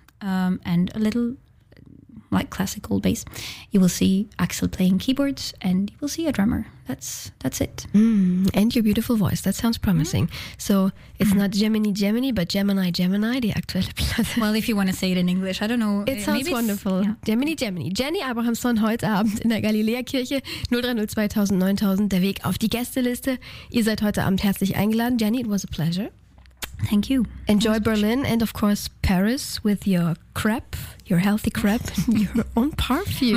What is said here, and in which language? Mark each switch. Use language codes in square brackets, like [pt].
[en] And a little like classical bass. You will see Axel playing keyboards and you will see a drummer. That's it. Mm, and your beautiful voice. That sounds promising. Mm. So it's not Gemini Gemini, but Gemini Gemini, [de] die aktuelle Platte. [en] Well, if you want to say it in English, I don't know. It sounds maybe wonderful. Yeah. Gemini Gemini. [de] Jenny Abrahamson heute Abend in der Galilea-Kirche. 030 2000 9000, der Weg auf die Gästeliste. Ihr seid heute Abend herzlich eingeladen. Jenny, [en] it was a pleasure. Thank you. Enjoy Berlin and, of course, Paris with your crepe, your healthy crepe, your own perfume.